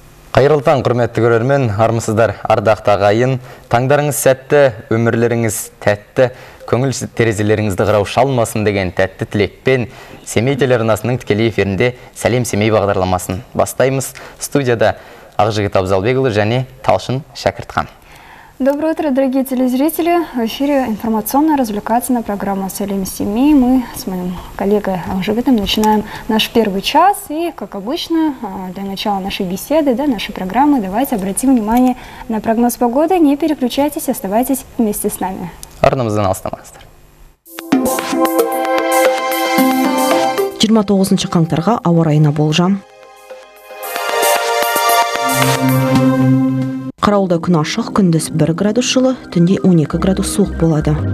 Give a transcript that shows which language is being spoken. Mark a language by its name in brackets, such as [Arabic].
[Kazakh] Қайырлы таң, құрметті көрермен, армысыздар, ардақты ағайын. Таңдарыңыз сәтті, өмірлеріңіз тәтті, көңіл терезелеріңізді қырау шалмасын деген тәтті тілекпен Семей телеарнасының тікелей эфирінде «Сәлем Семей» бағдарламасын бастаймыз. Студияда Ақжігіт Абзалбекұлы және Талшын Шәкіртхан. [Russian] Доброе утро, дорогие телезрители. В эфире информационная развлекательная программа «Сәлем Семей». Мы с моим коллегой Ақжігітом начинаем наш первый час. И, как обычно, для начала нашей беседы, да, нашей программы, давайте обратим внимание на прогноз погоды. Не переключайтесь, оставайтесь вместе с нами. [Kazakh] Арнамыздан алыстамаңыздар. 29-шы қаңтарға ауа райына болжам. Қарауылда күн ашық, күндіз 1 градус жылы, түнде 12 градус суық болады.